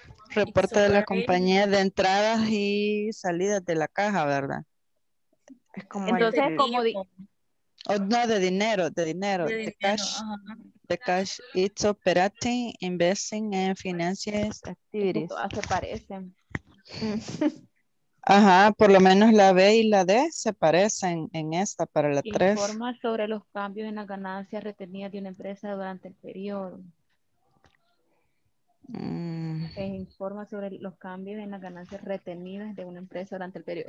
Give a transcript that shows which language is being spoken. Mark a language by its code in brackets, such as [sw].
[es] reporte de la compañía de entradas y salidas de la caja, ¿verdad? Es como entonces el, como de dinero, de [en] cash, it's operating, investing and financial activities. [es] Se parecen. Ajá, por lo menos la B y la D se parecen en esta para la 3. Informa sobre los cambios en las ganancias retenidas de una empresa durante el periodo. Que informa sobre los cambios en las ganancias retenidas de una empresa durante el periodo.